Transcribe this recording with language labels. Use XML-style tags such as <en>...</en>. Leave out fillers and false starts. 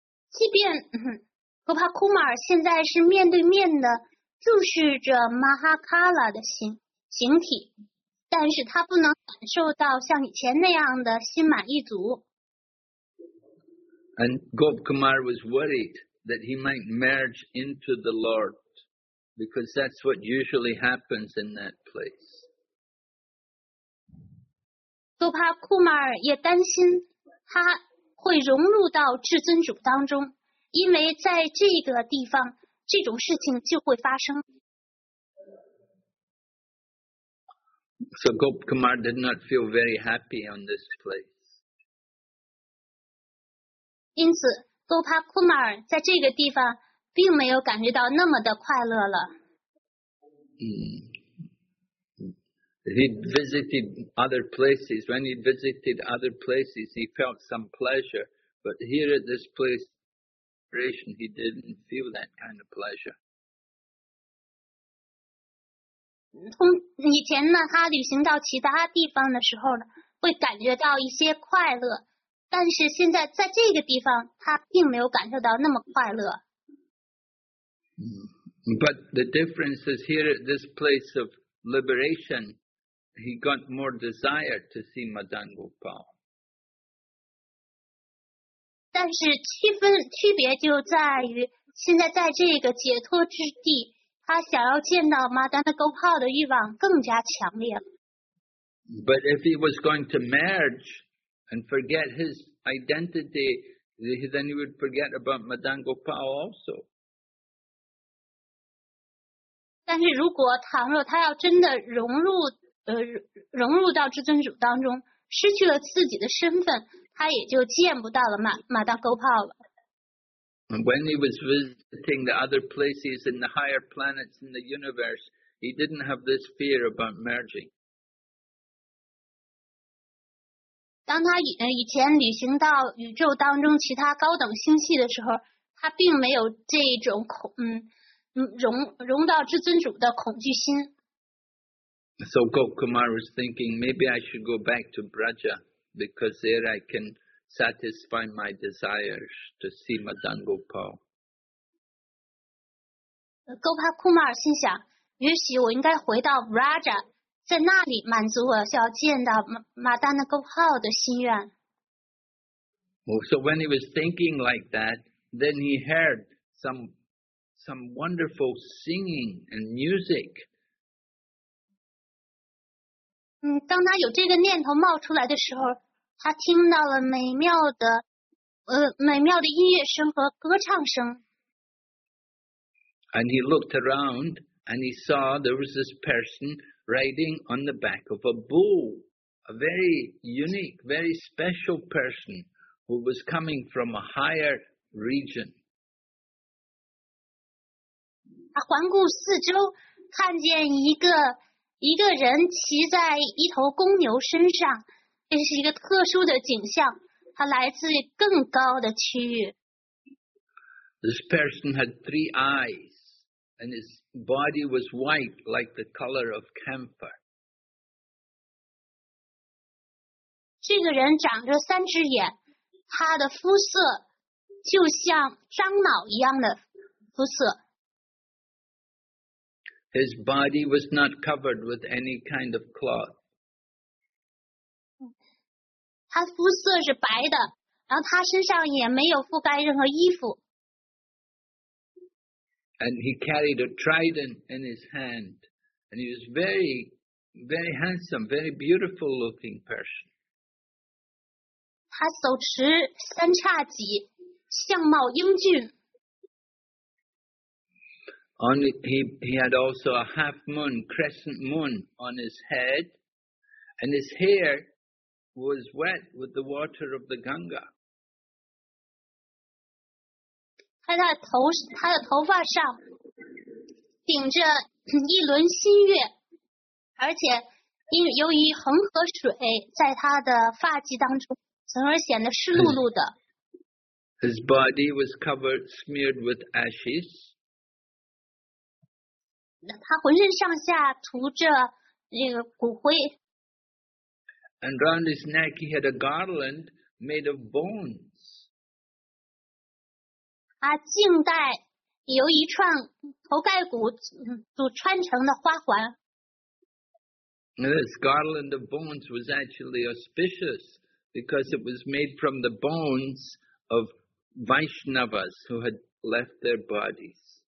<zh>即便Gopal Kumar 现在是面对面的注视着 Mahakala 的形体。但是他不能感受到像以前那样的心满意足。</zh> <en>And Gop Kumar was worried that he might merge into the Lord, because that's what usually happens in that place.</en> <zh>Gopal Kumar 也担心他会融入到至尊主当中，因为在这个地方，这种事情就会发生。</zh> <en>So Gop Kumar did not feel very happy on this place.</en> <zh>因此 Gopal Kumar 在这个地方并没有感觉到那么的快乐了。</zh> <en>He visited other places. When he visited other places, he felt some pleasure. But here at this place, he didn't feel that kind of pleasure.</en> <zh>以前呢，他旅行到其他地方的时候呢，会感觉到一些快乐，但是现在在这个地方，他并没有感受到那么快乐。</zh> <en>But the difference is here at this place of liberation, he got more desire to see Madan Gopal.</en> <zh>但是区别就在于现在在这个解脱之地，他想要见到马丹的勾炮的欲望更加强烈了。</zh> <en>But if he was going to merge and forget his identity, then he would forget about Madan Gopal also.</en> <zh>但是如果倘若他要真的融入到至尊主当中，失去了自己的身份，他也就见不到了马丹 Gopal 了。</zh> <en>When he was visiting the other places in the higher planets in the universe, he didn't have this fear about merging.</en> <zh>当他以前旅行到宇宙当中其他高等星系的时候，他并没有这种融到至尊主的恐惧心。</zh> <en>So Gokumar was thinking, maybe I should go back to Braja because there I can satisfy my desires to see Madan Gopal.</en> <zh>Gopakumar 心想，也许我应该回到 Braja。在那里满足我要见到马丹的勾炮的心愿。</zh> <en>Well, so when he was thinking like that, then he heard some wonderful singing and music.</en> <zh>当他有这个念头冒出来的时候，他听到了美妙的音乐声和歌唱声。</zh> <en>And he looked around and he saw there was this person. Riding on the back of a bull, a very unique, very special person who was coming from a higher region.</en> <zh>他环顾四周，看见一个人骑在一头公牛身上，这是一个特殊的景象，他来自更高的区域。</zh> <en>This person had three eyes. And his body was white like the color of camphor.</en> <zh>这个人长着三只眼，他的肤色就像樟脑一样的肤色。</zh> <en>His body was not covered with any kind of cloth.</en> <zh>他肤色是白的，然后他身上也没有覆盖任何衣服。</zh> <en>And he carried a trident in his hand, and he was very, very handsome, very beautiful-looking person.</en> <zh>他手持三叉戟，相貌英俊。</zh> <en>He had also a half moon, crescent moon on his head, and his hair was wet with the water of the Ganga.</en> <zh>他的头发上顶着一轮新月，而且由于恒河水在他的发髻当中，从而显得湿漉漉的。</zh> <en>His body was covered, smeared with ashes.</en> <zh>他浑身上下涂着这个骨灰。</zh> <en>And round his neck he had a garland made of bones.</en> <zh>他颈带由一串头盖骨组穿成的花环。</zh> <en>This garland of bones was actually auspicious because it was made from the bones of Vaishnavas who had left their bodies.</en>